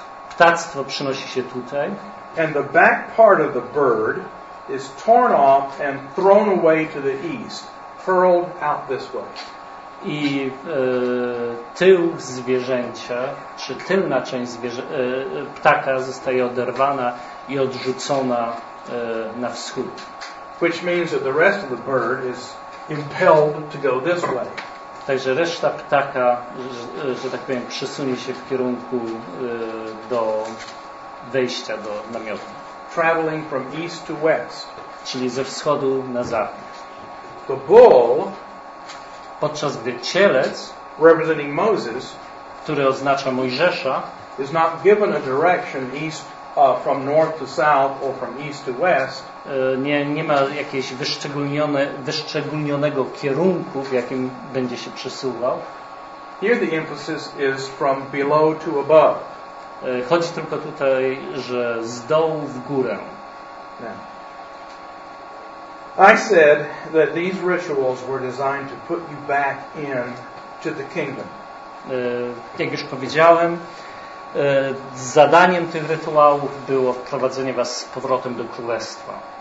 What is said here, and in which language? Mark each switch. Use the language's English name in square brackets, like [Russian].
[Polish] Ptactwo przynosi się tutaj. [English] And the back part of the bird is torn off and thrown away to the east, hurled out this way. [Polish] I tył zwierzęcia, czy tylna część ptaka zostaje oderwana i odrzucona na wschód. [English] Which means that the rest of the bird is impelled to go this way. [Polish] Także reszta ptaka, że tak powiem, przesunie się w kierunku do wejścia do namiotu. [English] Traveling from east to west. [Polish] Czyli ze wschodu na zachód. [English] The bull, [Polish] podczas gdy cielec, [English] representing Moses, [Polish] który oznacza Mojżesza, [English] is not given a direction east from north to south or from east to west. [Polish] Nie ma jakiegoś wyszczególnionego kierunku, w jakim będzie się przesuwał. [English] Here the emphasis is from below to above. [Polish] Chodzi tylko tutaj, że z dołu w górę. [English] I said that these rituals were designed to put you back in to the kingdom. [Polish] Jak już powiedziałem, zadaniem tych rytuałów było wprowadzenie was z powrotem do królestwa.